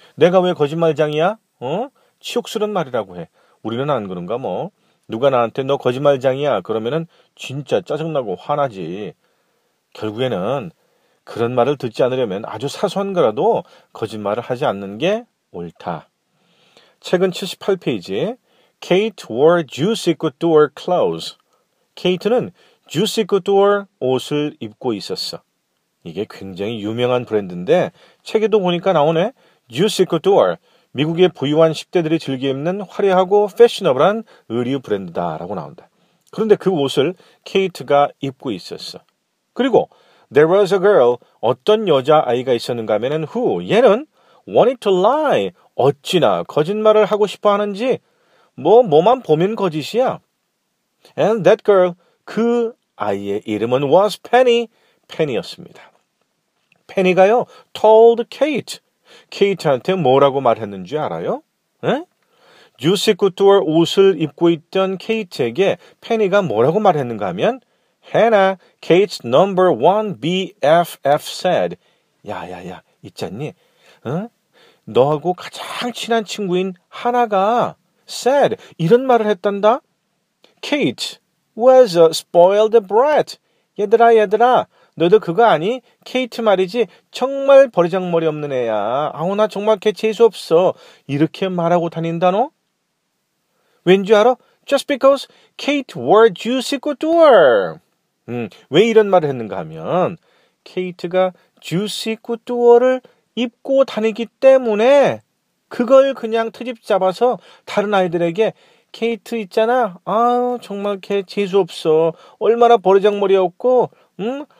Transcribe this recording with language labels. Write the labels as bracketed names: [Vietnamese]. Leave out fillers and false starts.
[Korean] 내가 왜 거짓말장이야? 어? 치욕스러운 말이라고 해. 우리는 안 그런가 뭐. 누가 나한테 너 거짓말장이야 그러면은 진짜 짜증나고 화나지. 결국에는 그런 말을 듣지 않으려면 아주 사소한 거라도 거짓말을 하지 않는 게 옳다. 책은 78페이지 [English] Kate wore juicy couture clothes. [Korean] Kate는 juicy couture 옷을 입고 있었어. 이게 굉장히 유명한 브랜드인데 책에도 보니까 나오네. juicy couture 미국의 부유한 10대들이 즐겨 입는 화려하고 패셔너블한 의류 브랜드다라고 나온다. 그런데 그 옷을 케이트가 입고 있었어. 그리고 [English] There was a girl, [Korean] 어떤 여자아이가 있었는가 하면 who, 얘는 [English] wanted to lie, [Korean] 어찌나 거짓말을 하고 싶어 하는지 뭐 뭐만 보면 거짓이야. [English] And that girl, [Korean] 그 아이의 이름은 [English] was Penny, [Korean] 페니였습니다. 페니가요, [English] told Kate, [Korean] 케이트한테 뭐라고 말했는지 알아요? 응? 주시 쿠투어 옷을 입고 있던 케이트에게 페니가 뭐라고 말했는가 하면 [English] Hannah, Kate's number one BFF said [Korean] 야야야, 있잖니? 응? 너하고 가장 친한 친구인 하나가 said 이런 말을 했단다? [English] Kate was a spoiled brat [Korean] 얘들아 얘들아 너도 그거 아니? 케이트 말이지 정말 버리장머리 없는 애야. 아우 나 정말 걔 재수없어. 이렇게 말하고 다닌다 너? 왠지 알아? [English] Just because Kate wore juicy couture. [Korean] 왜 이런 말을 했는가 하면 케이트가 juicy couture를 입고 다니기 때문에 그걸 그냥 트집 잡아서 다른 아이들에게 케이트 있잖아. 아우 정말 걔 재수없어. 얼마나 버리장머리 없고 응?